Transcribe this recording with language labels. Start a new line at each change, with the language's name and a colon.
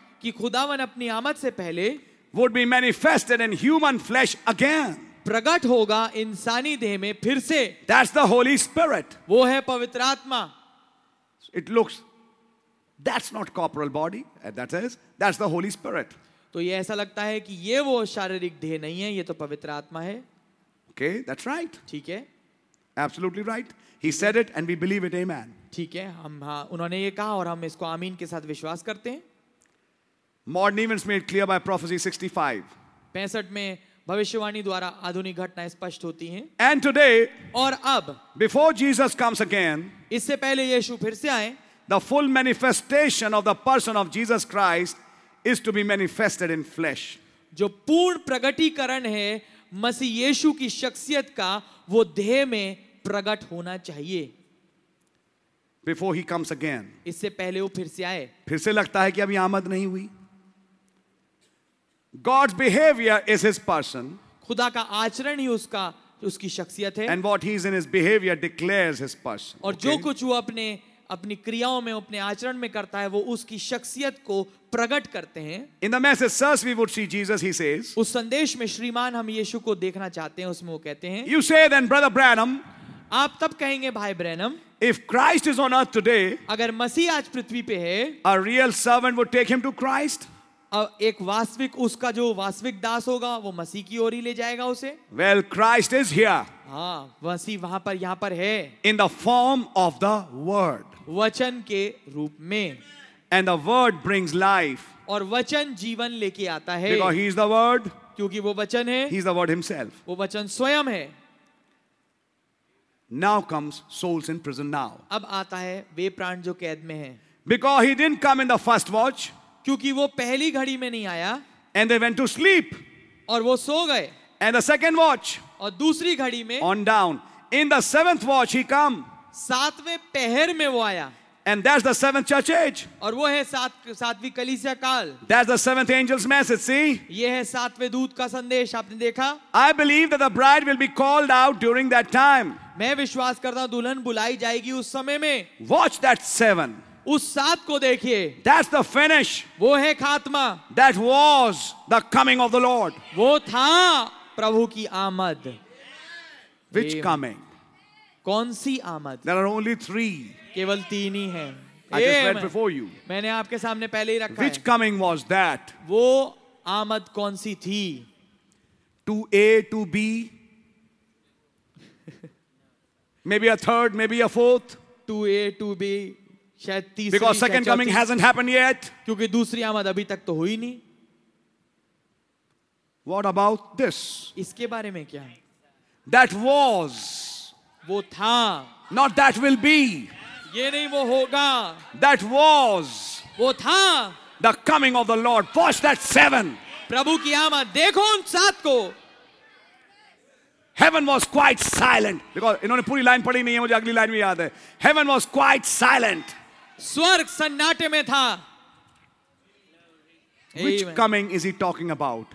Hindi: कि खुदावन अपनी आमद से पहले.
English: Would be manifested in human flesh again.
Hindi: प्रकट होगा इंसानी देह में फिर से.
English: That's the Holy Spirit.
Hindi: वो है पवित्र आत्मा.
English: It looks. That's not corporal body. That's the Holy Spirit.
Hindi: तो ये ऐसा लगता है कि ये वो शारीरिक देह नहीं है, ये तो पवित्र आत्मा है.
English: Okay, that's right.
Hindi: ठीक है.
English: Absolutely right. He said it and we believe it. Amen.
Hindi: ठीक है, हम उन्होंने ये कहा और हम इसको आमीन के साथ विश्वास करते हैं.
English: Modern events made clear by prophecy 65.
Hindi: 65 में भविष्यवाणी द्वारा आधुनिक घटनाएं स्पष्ट होती हैं.
English: And today.
Hindi: और अब.
English: Before Jesus comes again.
Hindi: इससे पहले यीशु फिर से आए.
English: The full manifestation of the person of Jesus Christ is to be manifested in flesh.
Hindi: जो पूर्ण प्रगटीकरण है मसीह यीशु की शख्सियत का वो देह में प्रकट होना चाहिए.
English: Before he comes again.
Hindi: इससे पहले वो फिर से आए. फिर से लगता है कि अभी आमद नहीं हुई.
English: God's behavior is his person.
Hindi: खुदा का आचरण ही उसका उसकी शख्सियत है.
English: And what he is in his behavior declares his person.
Hindi: और जो कुछ वो अपने अपनी क्रियाओं में अपने आचरण में करता है वो उसकी शख्सियत को प्रकट करते हैं.
English: In the message, sir, we would see Jesus, he says.
Hindi: उस संदेश में श्रीमान हम यीशु को देखना चाहते हैं, उसमें वो कहते हैं.
English: You say then, brother Branham.
Hindi: आप तब कहेंगे भाई Branham.
English: If Christ is on earth today.
Hindi: अगर मसीह आज पृथ्वी पे है.
English: A real servant would take him to Christ.
Hindi: एक वास्तविक उसका जो वास्तविक दास होगा वो मसीह की ओर ही ले जाएगा उसे.
English: Well, Christ is here.
Hindi: हाँ, मसीह वहाँ पर यहाँ पर है.
English: In the form of the Word.
Hindi: वचन के रूप में.
English: And the Word brings life.
Hindi: और वचन जीवन लेके आता है.
English: Because he is the Word.
Hindi: क्योंकि वो वचन है.
English: He is the Word himself.
Hindi: वो वचन स्वयं है.
English: Now comes souls in prison now.
Hindi: अब आता है वे प्राण जो कैद में हैं.
English: Because he didn't come in the first watch.
Hindi: क्योंकि वो पहली घड़ी में नहीं आया.
English: And they went to sleep.
Hindi: और वो सो गए.
English: And the second watch.
Hindi: और दूसरी घड़ी में.
English: On down. In the seventh watch he come.
Hindi: सातवें पहर में वो आया.
English: And that's the seventh church age.
Hindi: और वो है सातवीं कलीसिया काल.
English: That's the seventh angel's message. See.
Hindi: ये है सातवें दूत का संदेश, आपने देखा.
English: I believe that the bride will be called out during that time.
Hindi: मैं विश्वास करता हूं दुल्हन बुलाई जाएगी उस समय में.
English: Watch that seven.
Hindi: उस सात को देखिए.
English: That's the finish.
Hindi: वो है खात्मा.
English: That was the coming of the Lord.
Hindi: वो था प्रभु की आमद.
English: Which coming?
Hindi: कौन सी आमद?
English: There are only three.
Hindi: केवल तीन ही हैं.
English: I just read before you.
Hindi: मैंने आपके सामने पहले ही रखा.
English: Which coming was that?
Hindi: वो आमद कौन सी थी?
English: To A, to B. Maybe a third, maybe a fourth. To A, to B. Because second coming hasn't happened yet.
Hindi: क्योंकि दूसरी आमद अभी तक तो हुई नहीं.
English: What about this?
Hindi: इसके बारे में क्या?
English: That was.
Hindi: वो था.
English: Not that will be.
Hindi: ये नहीं वो होगा.
English: That was.
Hindi: वो था.
English: The coming of the Lord. Watch that seven.
Hindi: प्रभु की आमद. देखो उन सात को.
English: Heaven was quite silent because
Hindi: इन्होंने पूरी लाइन पढ़ी नहीं है. मुझे अगली लाइन भी याद है.
English: Heaven was quite silent.
Hindi: स्वर्ग सन्नाटे में था.
English: Which coming is he talking about?